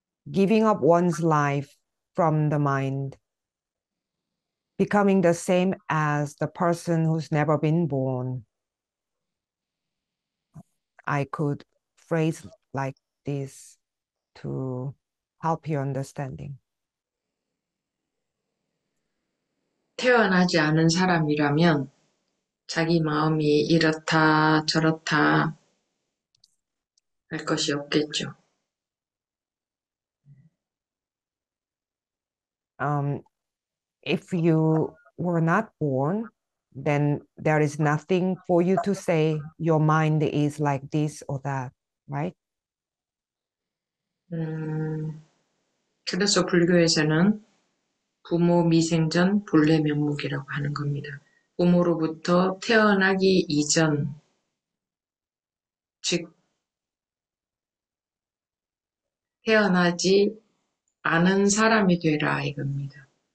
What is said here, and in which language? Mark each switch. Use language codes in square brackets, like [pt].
[en] Giving up one's life from the mind. Becoming the same as the person who's never been born. I could phrase like this to help your understanding. [ko] 태어나지 않은 사람이라면 자기 마음이 이렇다 저렇다 할 것이 없겠죠. [en] If you were not born, then there is nothing for you to say your mind is like this or that, right? [ko] 그래서 불교에서는 부모 미생전 본래 면목이라고 하는 겁니다. 부모로부터 태어나기 이전, 즉, 태어나지 않은 사람이 되라 이겁니다.